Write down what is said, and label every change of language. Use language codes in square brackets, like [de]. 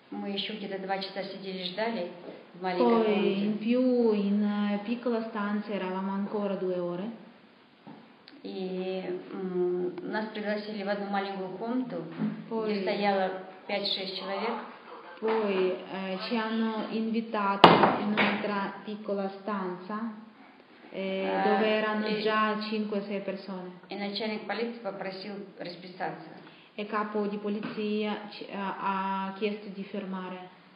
[ru] Мы еще где-то 2 часа сидели, ждали в маленькой комнате. [it] Poi, in più, in piccola stanza, eravamo ancora 2 ore. [ru] И нас пригласили в одну маленькую комнату, где стояло 5-6 человек. [it] Poi, ci hanno invitato in un'altra piccola stanza, dove erano già 5-6 persone. [ru] E начальник полиции попросил расписаться. [it] E capo di polizia ha chiesto di fermare.